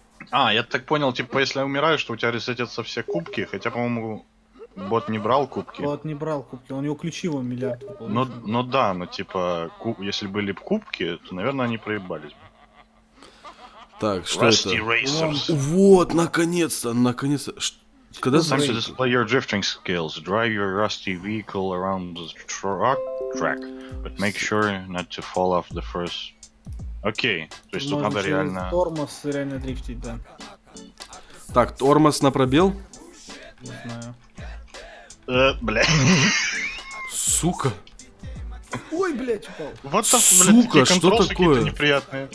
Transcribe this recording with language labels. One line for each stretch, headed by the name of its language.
Russian: А, я так понял, типа, если я умираю, что у тебя ресетятся все кубки, хотя, по-моему, бот не брал кубки. Бот не брал кубки, у него ключи вон миллиард. Но да, но типа, если были бы кубки, то, наверное, они проебались бы. Так, что Rusty это? Racers. Вот, наконец-то, наконец-то. Когда
English: Time to display your drifting skills. Drive your rusty vehicle around the truck track, but make sure not to fall off the first.
Russian: Окей, то есть тут надо реально. Тормоз реально дрифтить, да. Так, тормоз на пробел? Не знаю. Сука. Ой, блядь, упал. Вот так, блядь, сука, что такое? Неприятные.